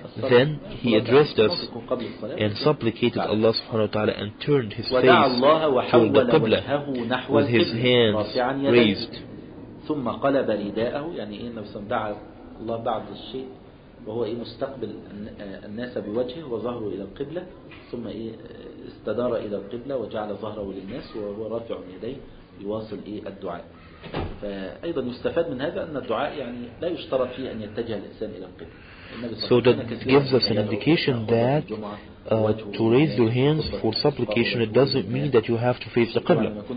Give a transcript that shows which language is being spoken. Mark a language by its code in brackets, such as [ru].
[en] Then he addressed us and supplicated Allah subhanahu wa ta'ala and turned his face toward the Qibla with his hands raised. [ar] ثم قلب رداءه يعني إيه نفسه دعا الله بعض الشيء وهو إيه مستقبل الناس بوجهه وظهره إلى القبلة، ثم إيه استدار إلى القبلة وجعل ظهره للناس وهو رافع يديه يواصل إيه الدعاء. فأيضا يستفاد من هذا أن الدعاء يعني لا يشترط فيه أن يتجه الإنسان إلى القبلة. [en] So that gives us an indication that to raise your hands for supplication, it doesn't mean that you have to face the Qibla.